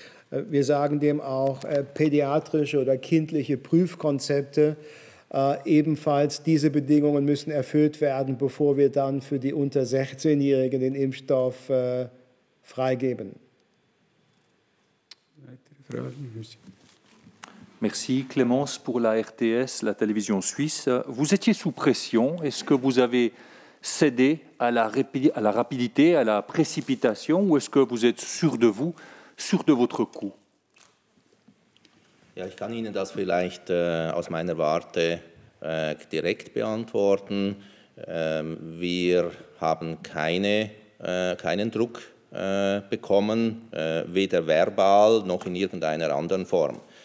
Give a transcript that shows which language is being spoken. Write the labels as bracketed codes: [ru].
[de] Wir sagen dem auch pädiatrische oder kindliche Prüfkonzepte. Ebenfalls diese Bedingungen müssen erfüllt werden, bevor wir dann für die unter 16-Jährigen den Impfstoff freigeben. Weitere Fragen? [fr] Merci Clémence pour la RTS, la télévision suisse. Vous étiez sous pression. Est-ce que vous avez cédé à la rapidité, à la précipitation, ou est-ce que vous êtes sûr de vous, sûr de votre coup? [de] Ja, ich kann Ihnen das vielleicht aus meiner Warte direkt beantworten. Wir haben keinen Druck bekommen, weder verbal noch in irgendeiner anderen Form.